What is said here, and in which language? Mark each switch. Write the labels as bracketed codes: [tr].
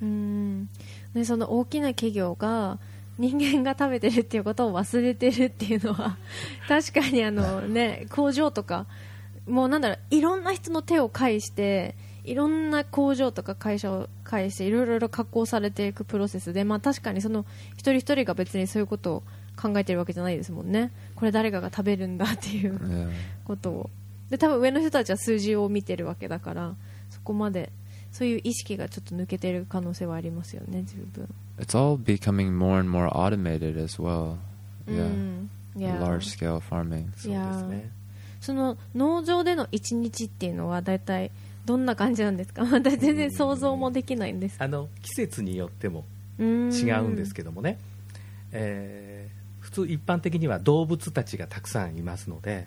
[ja] うん、でその大きな企業が人間が食べてるっていうことを忘れてるっていうのは確かにね、工場とかもうなんだろう、いろんな人の手を介していろんな工場とか会社を介していろいろ加工されていくプロセスで、まあ、確かにその一人一人が別にそういうことを考えてるわけじゃないですもんね。これ誰かが食べるんだっていうことを、で多分上の人たちは数字を見てるわけだから、そこまでそういう意識がちょっと抜けてる可能性はありますよね、十分。 [en] It's all becoming more and more automated as well. Yeah. Large scale farming. Yeah. [ja] その農場での一日っていうのは大体どんな感じなんですか？私全然想像もできないんですけど。季節によっても違うんですけどもね。普通一般的には動物たちがたくさんいますので、